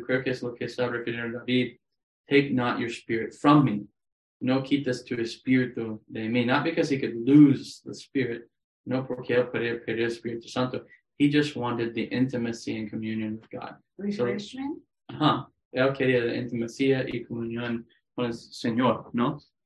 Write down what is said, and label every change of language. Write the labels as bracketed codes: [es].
[es] Creo que es lo que está refiriendo David. [en] Take not your spirit from me. [es] No quites tu espíritu de mí. [en] Not because he could lose the spirit. [es] No porque él podía perder el Espíritu Santo. [en] He just wanted the intimacy and communion with God. Refreshment? [es] So, él quería la intimacía y comunión con el Señor, ¿no?